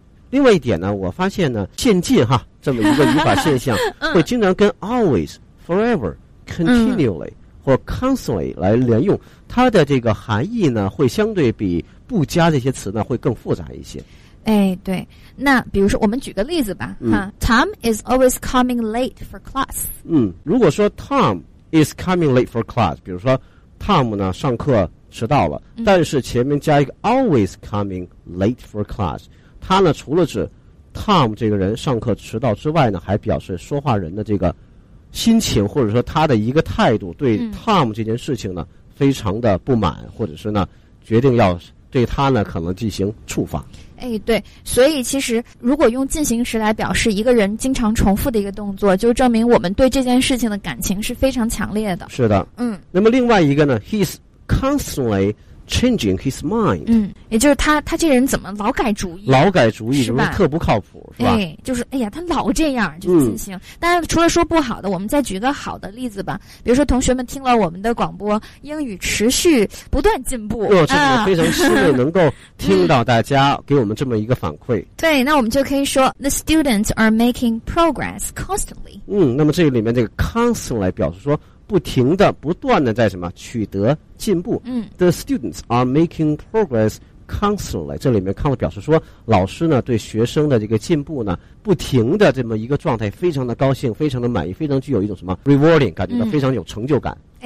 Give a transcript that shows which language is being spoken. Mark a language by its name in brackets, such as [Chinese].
[Chinese] 另外一点呢，我发现呢，渐进哈这么一个语法现象，会经常跟 always, forever, continually 或 constantly 来连用，它的这个含义呢，会相对比不加这些词呢，会更复杂一些。哎，对，那比如说我们举个例子吧， [English] Tom is always coming late for class。 [Chinese] 如果说 [English] Tom is coming late for class， [Chinese] 比如说 Tom 呢上课迟到了，但是前面加一个 always coming late for class， 它呢除了指 Tom 这个人上课迟到之外呢，还表示说话人的这个心情或者说他的一个态度，对 Tom 这件事情呢非常的不满，或者是呢决定要对他呢可能进行处罚。哎，对，所以其实如果用进行时来表示一个人经常重复的一个动作，就证明我们对这件事情的感情是非常强烈的。是的，那么另外一个呢 ， [English] he's constantly changing his mind。 [Chinese] 也就是他这人怎么老改主意？老改主意，是不是特不靠谱？是吧？就是哎呀，他老这样就进行。但除了说不好的，我们再举个好的例子吧。比如说，同学们听了我们的广播，英语持续不断进步。我真的非常欣慰，能够听到大家给我们这么一个反馈。对，那我们就可以说 [English] the students are making progress constantly。 [Chinese] 那么这里面这个 constantly 表示说。不停的不断的在什么取得进步。 [English] The students are making progress constantly， [Chinese] 这里面 constantly 表示说老师呢对学生的这个进步呢不停的这么一个状态，非常的高兴，非常的满意，非常具有一种什么 rewarding 感觉到非常有成就感。